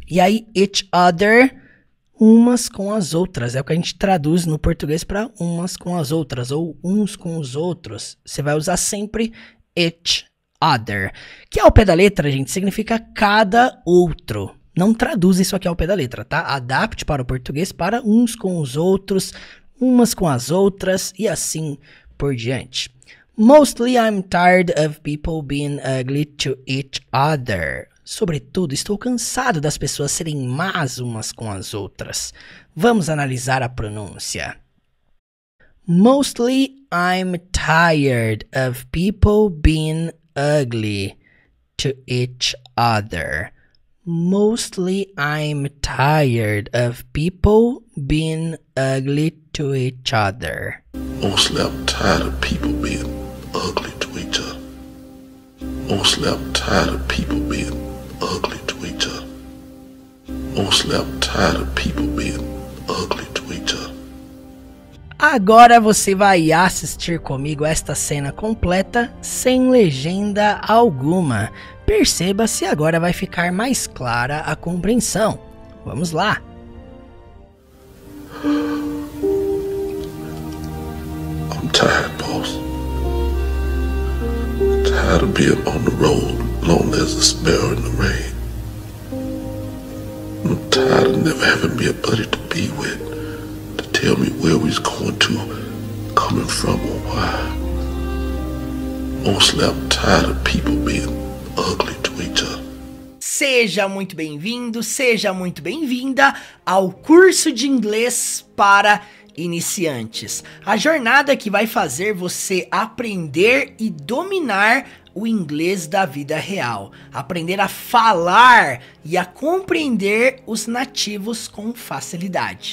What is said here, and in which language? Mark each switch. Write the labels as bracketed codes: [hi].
[pt] E aí, each other, umas com as outras. É o que a gente traduz no português para umas com as outras, ou uns com os outros. Você vai usar sempre each other, que ao pé da letra, gente, significa cada outro. Não traduz isso aqui ao pé da letra, tá? Adapte para o português para uns com os outros, umas com as outras e assim por diante. [en] Mostly I'm tired of people being ugly to each other. [pt] Sobretudo, estou cansado das pessoas serem más umas com as outras. Vamos analisar a pronúncia. [en] Mostly I'm tired of people being ugly to each other. Mostly I'm tired of people being ugly to each other. Mostly I'm tired of people being ugly to each other. Mostly I'm tired of people being ugly to each other. Mostly I'm tired of people being ugly to each other. [pt] Agora você vai assistir comigo esta cena completa, sem legenda alguma. Perceba se agora vai ficar mais clara a compreensão. Vamos lá. [en] I'm tired, boss. I'm tired of being on the road, lonely as a sparrow in the rain. I'm tired of never having me a buddy to be with. Tell me where we's going to, coming from or why. Mostly I'm tired of people being ugly to each other. [pt] Seja muito bem-vindo, seja muito bem-vinda ao curso de inglês para iniciantes. A jornada que vai fazer você aprender e dominar o inglês da vida real. Aprender a falar e a compreender os nativos com facilidade.